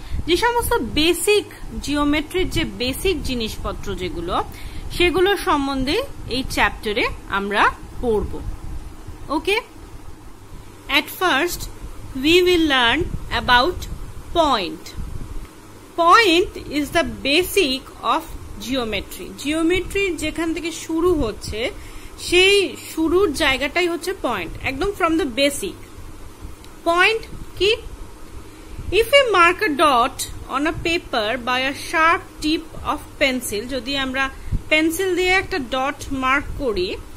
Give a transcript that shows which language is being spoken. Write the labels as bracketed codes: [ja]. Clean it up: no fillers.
[bn] যে সমস্ত basic geometry যে basic জিনিসপত্র যেগুলো, সেগুলো সম্বন্ধে এই চ্যাপ্টারে আমরা পড়ব. [en] Okay? At first, we will learn about point. Point is the basic of geometry. [bn] Geometry যেখান থেকে শুরু হচ্ছে, সেই শুরুর জায়গাটাই হচ্ছে পয়েন্ট একদম [en] from the basic point কি if I mark a dot on a paper by a sharp tip of pencil [bn] যদি আমরা পেন্সিল দিয়ে একটা ডট মার্ক করি